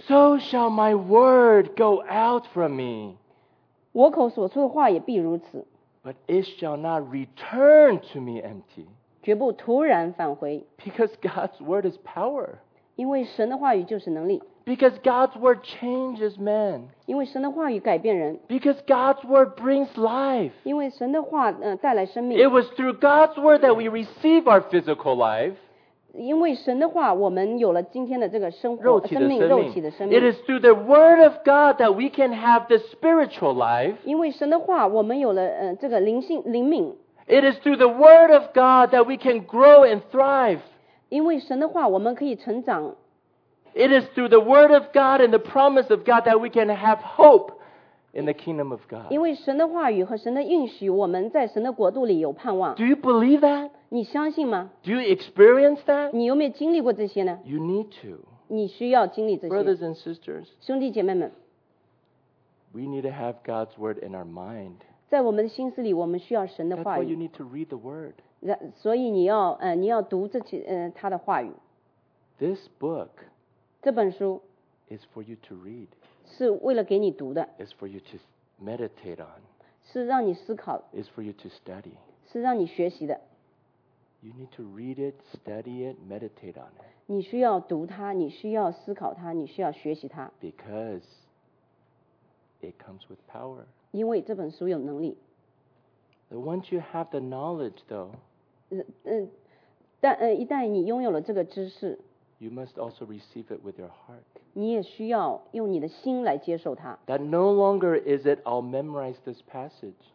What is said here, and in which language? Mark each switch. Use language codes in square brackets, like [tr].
[en] So shall my word go out from me. [zh] 我口所出的话也必如此。 [en] But it shall not return to me empty. [zh] 绝不突然返回。 [en] Because God's word is power. [zh] 因为神的话语就是能力。 [en] Because God's word changes men. [zh] 因为神的话语改变人。 [en] Because God's word brings life. [zh] 因为神的话带来生命。 [en] It was through God's word that we receive our physical life. [zh] 因为神的话我们有了今天的这个生活，生命，肉体的生命。 [en] It is through the word of God that we can have the spiritual life. [zh] 因为神的话我们有了这个灵性灵命。 [en] It is through the word of God that we can grow and thrive. [zh] 因为神的话我们可以成长。 [en] It is through the word of God and the promise of God that we can have hope in the kingdom of God. [zh] 因为神的话语和神的应许，我们在神的国度里有盼望。 [en] Do you believe that? [zh] 你相信吗? [en] Do you experience that? [zh] 你有没有经历过这些呢? [en] You need to. [zh] 你需要经历这些。 [en] Brothers and sisters, [zh] 兄弟姐妹们, [en] we need to have God's word in our mind. [zh] 在我们的心思里，我们需要神的话语。 [en] That's why you need to read the word. [zh] 所以你要读他的话语。 [en] This book, [zh] 这本书, [en] is for you to read. [zh] 是为了给你读的, [en] is for you to meditate on. [zh] 是让你思考, [en] is for you to study. [zh] 是让你学习的, [en] you need to read it, study it, meditate on it. [zh] 你需要读它, 你需要思考它, 你需要学习它, [en] because it comes with power. [zh] 因为这本书有能力。 [en] Once you have the knowledge, though, [zh] 一旦你拥有了这个知识, [en] you must also receive it with your heart. [zh] 你也需要用你的心来接受它。 [en] That no longer is it, I'll memorize this passage.